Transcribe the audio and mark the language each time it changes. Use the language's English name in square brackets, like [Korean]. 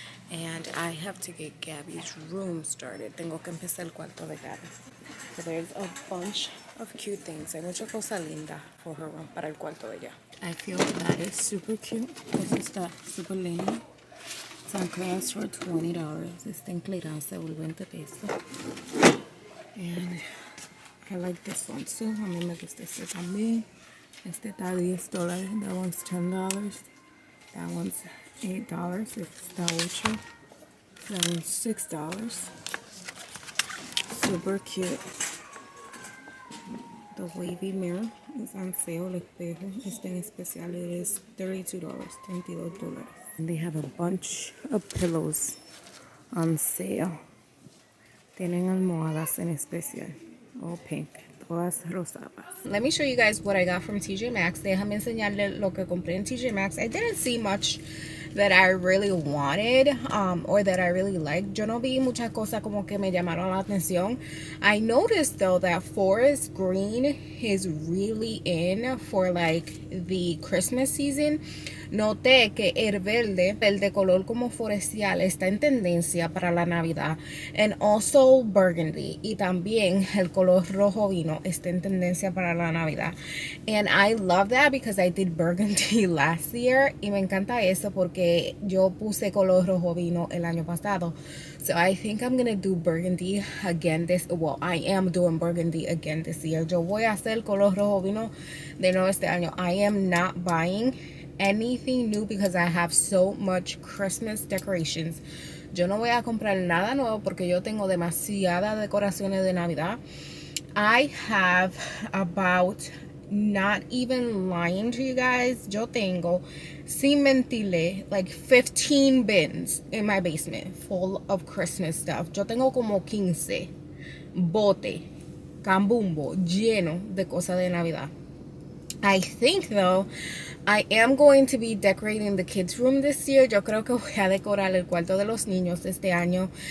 [English] And I have to get Gabby's room started. [Spanish] Tengo que empezar el cuarto de Gabby. [English] So there's a bunch of cute things. [Spanish] Hay mucha cosa linda [English] for her room, [Spanish] para el cuarto de ella. [English] I feel that is super cute. This is the super lindo. It's on clearance for $20. [Spanish] Está en clearance, vuelve 20 pesos. [English] And I like this one too. [Spanish] A mí me gusta este también. Este está $10. [English] That one's $10. That one's $8. It's the ultra. That one's $6. Super cute. The wavy mirror is on sale. [Spanish] El espejo. Este en especial [English] it is $32. $22. And they have a bunch of pillows on sale. [Spanish] Tienen almohadas en especial. [English] All pink. [Spanish] Todas rosadas. [English] Let me show you guys what I got from TJ Maxx. [Spanish] Déjame enseñarle lo que compré en TJ Maxx. [English] I didn't see much that I really wanted or that I really liked. [Spanish] Yo no vi muchas cosas como que me llamaron la atención. [English] I noticed though that forest green is really in for like the Christmas season. [Spanish] Noté que el verde color como forestal está en tendencia para la Navidad. [English] And also burgundy. [Spanish] Y también el color rojo vino está en tendencia para la Navidad. [English] And I love that because I did burgundy last year. [Spanish] Y me encanta eso porque yo puse color rojo vino el año pasado. [English] So I think I'm going to do burgundy again this, well, I am doing burgundy again this year. [Spanish] Yo voy a hacer color rojo vino de nuevo este año. [English] I am not buying anything new because I have so much Christmas decorations. [Spanish] Yo no voy a comprar nada nuevo porque yo tengo demasiadas decoraciones de Navidad. [English] I have about, not even lying to you guys, [Spanish] yo tengo, sin mentirle, [English] like 15 bins in my basement full of Christmas stuff. [Spanish] Yo tengo como 15 bote, cambumbo, lleno de cosas de Navidad. [English] I think though, I am going to be decorating the kids' room this year. [Spanish] Yo creo que voy a decorar el cuarto de los niños este año.